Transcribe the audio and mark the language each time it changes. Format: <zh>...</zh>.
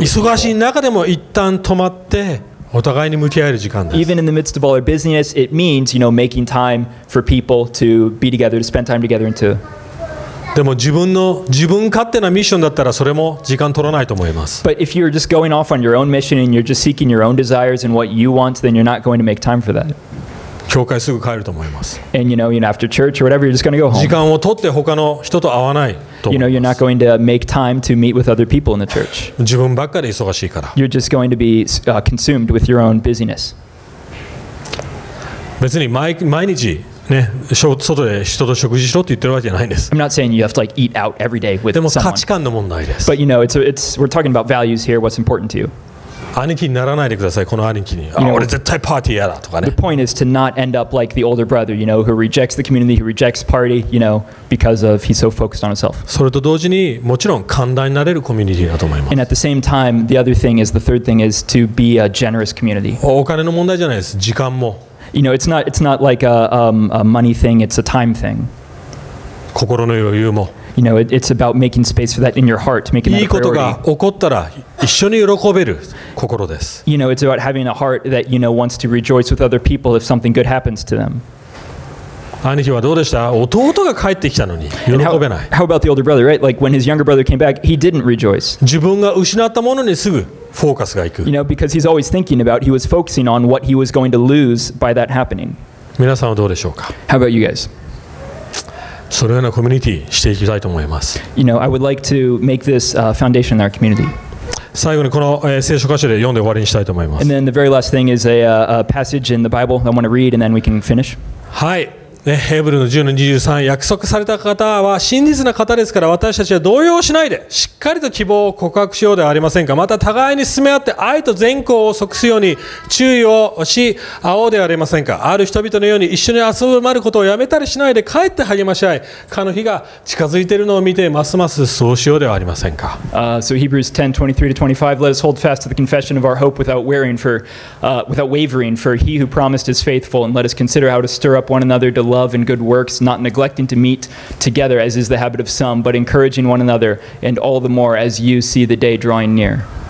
<ja>忙しい中でも一旦止まってお互いに向き合える時間です。</ja> <en>Even in the midst of all our busyness, it means you know making time for people to be together, to spend time together, and to.</en> <ja>でも自分勝手なミッションだったらそれも時間取らないと思います。</ja> <en>But if you're just going off on your own mission and you're just seeking your own desires and what you want, then you're not going to make time for that.</en> <ja>教会すぐ帰ると思います。</ja> <en>And you know, after church or whatever, you're just gonna go home.</en> <ja>時間を取って他の人と会わないと。</ja> <en>You know, you're not going to make time to meet with other people in the church.</en> <ja>自分ばっかり忙しいから。</ja> <en>You're just going to be consumed with your own busyness.</en> <ja>別に毎日ね、外で人と食事しろって言ってるわけじゃないんです。</ja> <en>I'm not saying you have to like eat out every day with someone.</en> <ja>でも価値観の問題です。</ja> <en>But you know, it's we're talking about values here. What's important to you?</en> <ja>兄貴にならないでください。この兄貴に。You know, 俺絶対パーティーやだとかね。</ja> <en>The point is to not end up like the older brother, you know, who rejects the community, who rejects party, you know, because of he's so focused on himself.</en> <ja>それと同時にもちろん寛大になれるコミュニティだと思います。</ja> <en>And at the same time, the other thing is the third thing is to be a generous community.</en> <ja>お金の問題じゃないです。時間も。</ja> <en>You know, it's not like a money thing. It's a time thing.</en> <ja>心の余裕も。</ja> <en>You know, it's about making space for that in your heart, making that a priority.</en> <ja>いいことが起こったら一緒に喜べる心です。</ja> <en>You know, it's about having a heart that you know wants to rejoice with other people if something good happens to them.</en> <ja>兄貴はどうでした？弟が帰ってきたのに喜べない。</ja> <en>How about the older brother, right? Like when his younger brother came back, he didn't rejoice.</en> <ja>自分が失ったものにすぐフォーカスが行く。</ja> <en>You know, because he's always thinking about, he was focusing on what he was going to lose by that happening.</en> <ja>皆さんはどうでしょうか？</ja> <en>How about you guys?</en> <ja>そのようなコミュニティしていきたいと思います。</ja> <en>You know, I would like to make this foundation in our community.</en> <ja>最後にこの聖書箇所で読んで終わりにしたいと思います。</ja> <en>And then the very last thing is a passage in the Bible I want to read and then we can finish.</en> <ja>はい。ヘブルの 10-23 約束された方は真実な方ですから私たちは動揺しないでしっかりと希望を告白しようではありませんかまた互いに進め合って愛と善行を即すように注意をし合おうではありませんかある人々のように一緒に遊ぶまることをやめたりしないで帰って励まし合いかの日が近づいているのを見てますますそうしようではありませんか</ja> <en>So Hebrews 10:23-25 Let us hold fast to the confession of our hope without wavering for he who promised is faithful and let us consider how to stir up one another love and good works, not neglecting to meet together as is the habit of some, but encouraging one another, and all the more as you see the day drawing near.</en>